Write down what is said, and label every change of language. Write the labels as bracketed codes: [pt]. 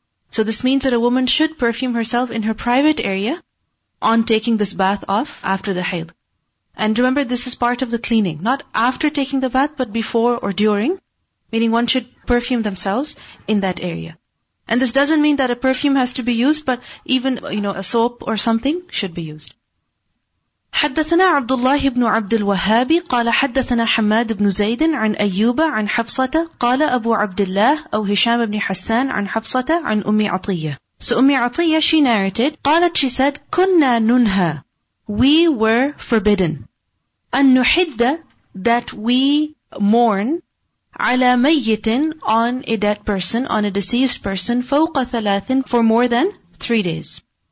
[en] So this means that a woman should perfume herself in her private area on taking this bath off after the hayd. And remember, this is part of the cleaning, not after taking the bath, but before or during, meaning one should perfume themselves in that area. And this doesn't mean that a perfume has to be used, but even, you know, a soap or something should be used. [ar] حدثنا عبد الله بن عبد الوهاب قال حدثنا حماد بن زيد عن أيوب عن حفصة قال أبو عبد الله أو هشام بن حسان عن حفصة عن أم عطية. [en] So Umm Atiyah, she narrated, [ar] قالت, [en] she said, [ar] كُنَّا نُنْهَا, [en] we were forbidden, [ar] أَن نُحِدَّ, [en] that we mourn, [ar] عَلَى مَيِّتٍ, [en] on a dead person, on a deceased person, [ar] فَوْقَ ثَلَاثٍ, [en] for more than 3 days.